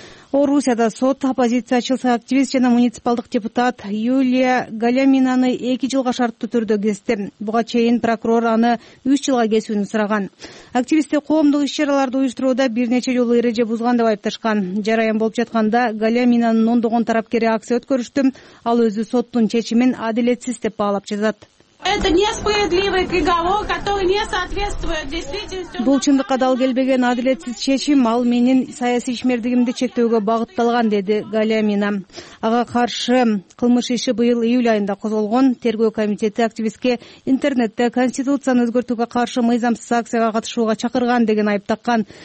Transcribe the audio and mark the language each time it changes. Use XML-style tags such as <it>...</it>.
<ky>Орусияда сот оппозициячыл активист жана муниципалдык депутат Юлия Галяминаны 2 жылга шарттуу түрдө кести. Буга чейин прокурор аны 3 жылга кесүүнү сураган. Активисти коомдук иш-чараларды уюштурууда бир нече жолу эреже бузган деп айыпташкан. Жараян болуп жатканда Галяминанын ондогон тарапкери акция өткөрүштү. Ал өзү соттун чечимин адилетсиз деп баалап жазат.</ky> <ru>Это несправедливый приговор, который не соответствует действительности.</ru> <ky>Бул чындыкка дал келбеген адилетсиз чечим ал менин саясий ишмердигимди чектөөгө багытталган, деди Галямина. Ага каршы кылмыш иши быйыл июль айында козголгон. Тергөө комитети активистке интернетте конституцияны өзгөртүүгө каршы мыйзамсыз акцияга катышууга чакырган деген айып таккан.</ky>